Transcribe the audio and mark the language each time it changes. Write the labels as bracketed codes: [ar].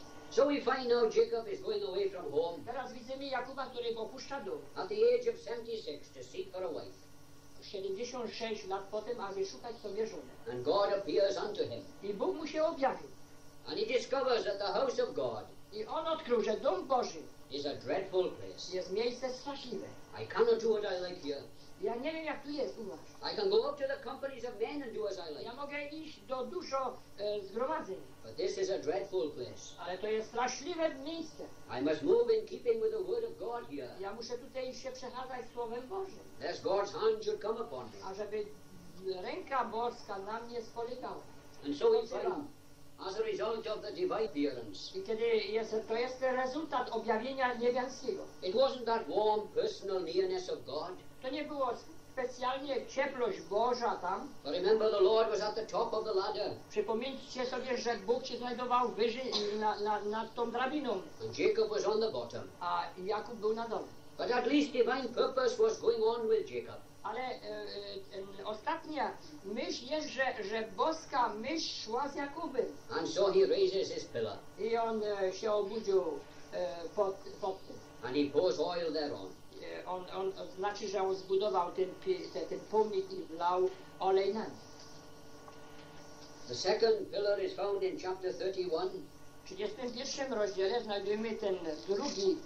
[en] So we find now Jacob is going away from home. [pl] Teraz widzimy Jakuba, który opuszcza dom. [en] At the age of 76 to seek for a wife. [pl] 76 lat potem, aby szukać sobie żonę. [en] And God appears unto him. [pl] I Bóg mu się objawił. [en] And he discovers that the house of God. [pl] I on odkrył, że dom Boży. [en] Is a dreadful place. [pl] Jest miejsce straszliwe. [en] I cannot do what I like here. [pl] Ja nie wiem, jak tu jest u was. [en] I can go up to the companies of men and do as I like. [pl] Ja mogę iść do dużo zgromadzeń. [en] But this is a dreadful place. [pl] Ale to jest straszliwe miejsce. [en] I must move in keeping with the word of God here. [pl] Ja muszę tutaj się przechadzać słowem Bożym. [en] Lest God's hand should come upon me. [pl] A żeby ręka boska na mnie spolegała. [en] And so we find, as a result of the divine appearance. [pl] I kiedy jest, to jest rezultat objawienia niebiańskiego. [en] It wasn't that warm personal nearness of God. [pl] To nie było specjalnie cieplość Boża tam. [en] But remember, the Lord was at the top of the ladder. [pl] Przypomnijcie sobie, że Bóg się znajdował wyżej nad tą drabiną. [en] And Jacob was on the bottom. [pl] A Jakub był na dole. [en] But at least divine purpose was going on with Jacob. [pl] Ale ostatnia myśl jest, że boska myśl szła z Jakubem. [en] And so he raises his pillar. [pl] I on się obudził pod tym. [en] And he pours oil thereon. [pl] On znaczy, że on zbudował ten pomnik i wlał olej na nim. [en] The second pillar is found in chapter 31. [pl] W 31 rozdziale znajdujemy ten drugi.